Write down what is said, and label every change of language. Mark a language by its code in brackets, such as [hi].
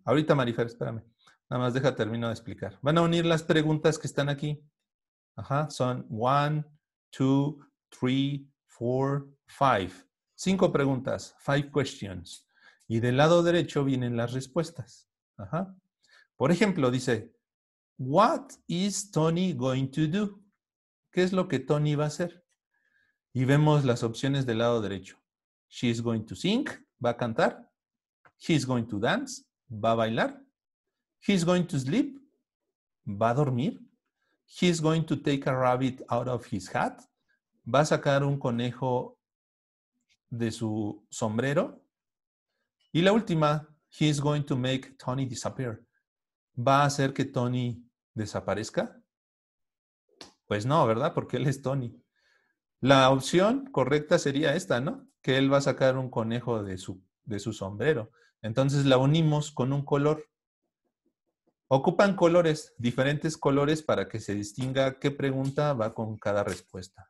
[es] Ahorita, Marifer, espérame. Nada más deja, termino de explicar. Van a unir las preguntas que están aquí. Ajá. Son 1, 2, 3, 4, 5. 5 preguntas. [en] 5 questions. [es] Y del lado derecho vienen las respuestas. Ajá. Por ejemplo, dice, [en] what is Tony going to do? [es] ¿Qué es lo que Tony va a hacer? Y vemos las opciones del lado derecho. [en] She is going to sing. [es] Va a cantar. [en] He's going to dance, [es] va a bailar. [en] He's going to sleep, [es] va a dormir. [en] He's going to take a rabbit out of his hat, [es] va a sacar un conejo de su sombrero. Y la última, [en] he's going to make Tony disappear. [es] ¿Va a hacer que Tony desaparezca? Pues no, ¿verdad? Porque él es Tony. La opción correcta sería esta, ¿no? Que él va a sacar un conejo de su sombrero. Entonces la unimos con un color. Ocupan colores, diferentes colores para que se distinga qué pregunta va con cada respuesta.